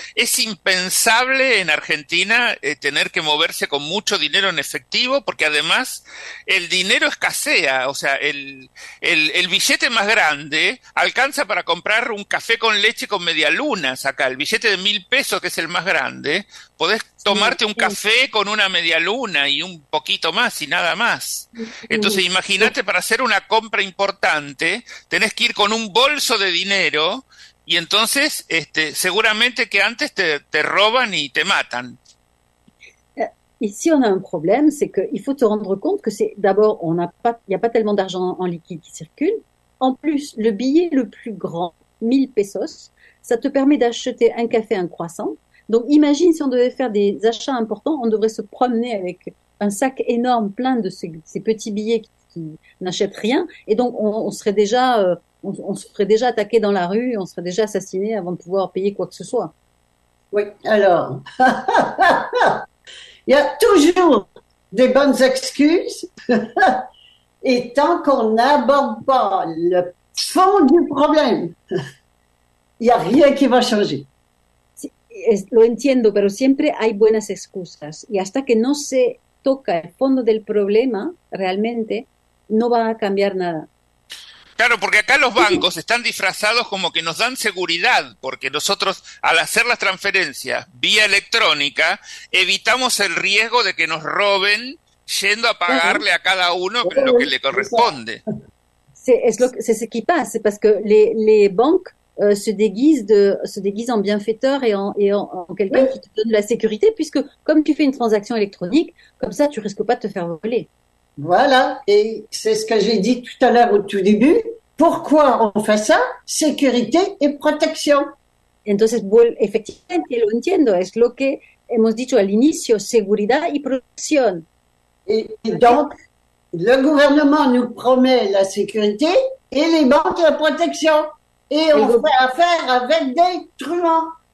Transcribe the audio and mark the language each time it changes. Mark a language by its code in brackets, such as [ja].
[es] Es impensable en Argentina tener que moverse con mucho dinero en efectivo, porque además el dinero escasea, o sea, el billete más grande alcanza para comprar un café con leche con medialunas acá, el billete de 1.000 pesos, que es el más grande, podés tomarte un café con una media luna y un poquito más y nada más. Entonces, imagínate, para hacer una compra importante, tenés que ir con un bolso de dinero y entonces seguramente que antes te roban y te matan. [fr] Ici, on a un problème, c'est qu'il faut te rendre compte que c'est d'abord, on n'a pas, il n'y a pas tellement d'argent en liquide qui circule. En plus, le billet le plus grand, 1000 pesos, ça te permet d'acheter un café, un croissant. Donc, imagine si on devait faire des achats importants, on devrait se promener avec un sac énorme plein de ces petits billets qui n'achètent rien. Et donc, on se ferait déjà attaquer dans la rue, on serait déjà assassiné avant de pouvoir payer quoi que ce soit. Oui, alors, il y a toujours des bonnes excuses. Et tant qu'on n'aborde pas le fond du problème, il n'y a rien qui va changer. [es] Lo entiendo, pero siempre hay buenas excusas y hasta que no se toca el fondo del problema, realmente no va a cambiar nada. Claro, porque acá los bancos están disfrazados como que nos dan seguridad, porque nosotros al hacer las transferencias vía electrónica evitamos el riesgo de que nos roben yendo a pagarle a cada uno lo que le corresponde. [fr] C'est ce qui passe, parce que les banques se déguise en bienfaiteur et en quelqu'un qui te donne la sécurité, puisque comme tu fais une transaction électronique, comme ça, tu risques pas de te faire voler. Voilà, et c'est ce que j'ai dit tout à l'heure au tout début. Pourquoi on fait ça? Sécurité et protection. [es] Entonces, bueno, efectivamente, lo entiendo. Es lo que hemos dicho al inicio, seguridad y protección. [fr] Et donc, le gouvernement nous promet la sécurité et les banques la protection. Et on fait affaire avec des truands.